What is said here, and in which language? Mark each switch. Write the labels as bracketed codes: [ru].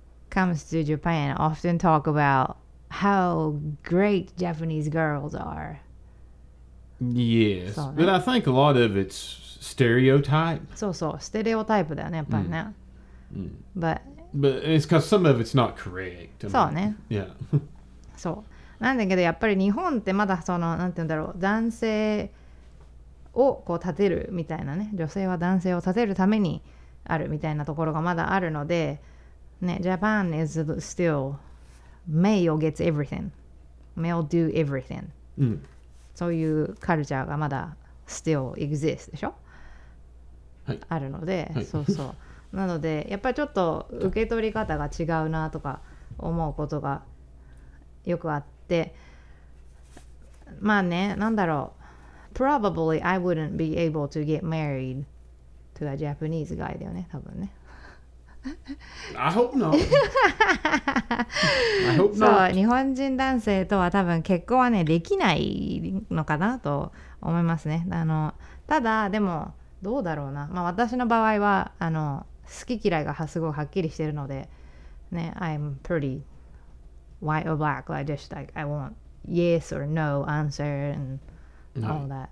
[en] comes to Japan often talk about how great Japanese girls are. Yes. So, but I think a lot of it's stereotype. So so stereotype [ja] だよね、やっぱりね。 [en] But it's because some of it's not correct. [ja] そうね。 [en] Yeah. [ja] そう。なんだけどやっぱり日本ってまだそのなんていうんだろう男性をこう立てるみたいなね女性は男性を立てるためにあるみたいなところがまだあるので。ね、 [en] Japan is still male gets everything. Male do everything.、 [ja] うん、そういうカルチャーがまだ [en] still exists [ja] でしょ、はい、あるので、はい、そうそう。なので、やっぱりちょっと受け取り方が違うなとか思うことがよくあって。まあね、なんだろう。 [en] Probably I wouldn't be able to get married to a Japanese guy [ja] だよね、多分ね。 [en] I hope not. I hope not. [ja] そう、日本人男性とは多分結婚はねできないのかなと思いますね。ただでもどうだろうな。まあ私の場合は好き嫌いがすごいはっきりしてるので、ね、 [en] I'm pretty white or black. I just like I want yes or no answer and all that.